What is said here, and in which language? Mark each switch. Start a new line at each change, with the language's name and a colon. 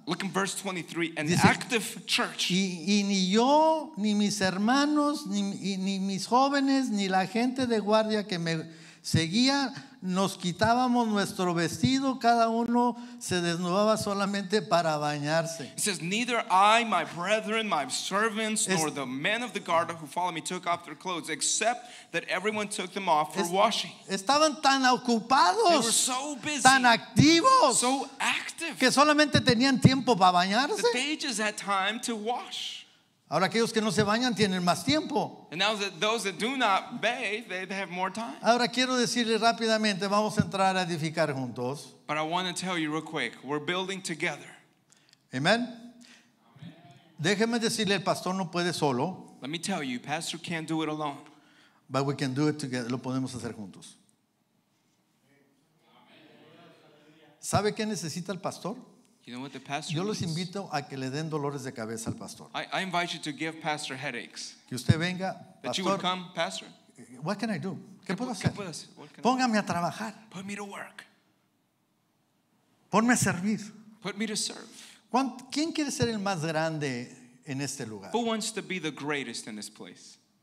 English: Look in verse 23, an active church.
Spanish: Y ni yo, ni mis hermanos, ni mis jóvenes, ni la gente de guardia que me seguía, nos quitábamos nuestro vestido, cada uno se desnudaba solamente para bañarse.
English: It says, neither I, my brethren, my servants, nor the men of the guard who followed me took off their clothes, except that everyone took them off for washing.
Spanish: Estaban tan ocupados,
English: they were so busy,
Spanish: tan activos,
English: so active,
Spanish: que solamente tenían tiempo para bañarse.
English: That they just had time to wash.
Spanish: Ahora aquellos que no se bañan tienen más tiempo.
English: And now that those that do not bathe, they have more time.
Spanish: Ahora quiero decirle rápidamente, vamos a entrar a edificar juntos.
English: But I want to tell you real quick, we're building together.
Spanish: Amen. Amen. Déjeme decirle, el pastor no puede solo.
English: Let me tell you, pastor can't do it alone. But we can do it together,
Spanish: lo podemos hacer juntos. Amen. ¿Sabe qué necesita el pastor?
English: You know what the pastor
Spanish: Yo los invito a que le den dolores de cabeza al pastor.
English: I invite you to give pastor headaches.
Spanish: Que usted venga, pastor.
English: That you would come, pastor. What can I do?
Spanish: ¿Qué puedo hacer? ¿Qué puedo hacer?
English: What can
Spanish: Póngame a trabajar.
English: Put me to work.
Spanish: Ponme a servir.
English: Put me to serve.
Spanish: ¿Quién quiere ser el más grande en este lugar?
English: Who wants to be the greatest in this place?